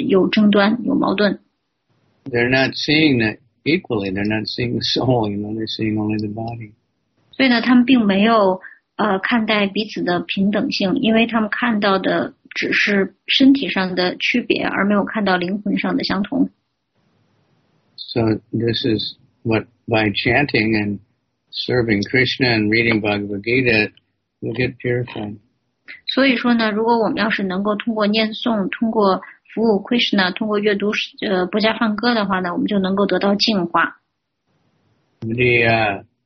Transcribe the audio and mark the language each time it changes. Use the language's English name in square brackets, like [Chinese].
[Chinese] 那么在这个非洲呢，也是，有不同的部落，然后有不同的语言，不同的这个信仰，那他们之间呢也会相互之间的有争端，有矛盾。They're [English] not seeing it equally. They're not seeing the soul. You know, they're seeing only the body. [Chinese] 所以呢，他们并没有看待彼此的平等性，因为他们看到的只是身体上的区别，而没有看到灵魂上的相同。 [English] So this is what, by chanting and serving Krishna and reading Bhagavad Gita, we'll get purified. [Chinese] 所以说呢，如果我们要是能够通过念诵，通过服务 Krishna, 通过阅读不加梵歌的话呢，我们就能够得到净化。The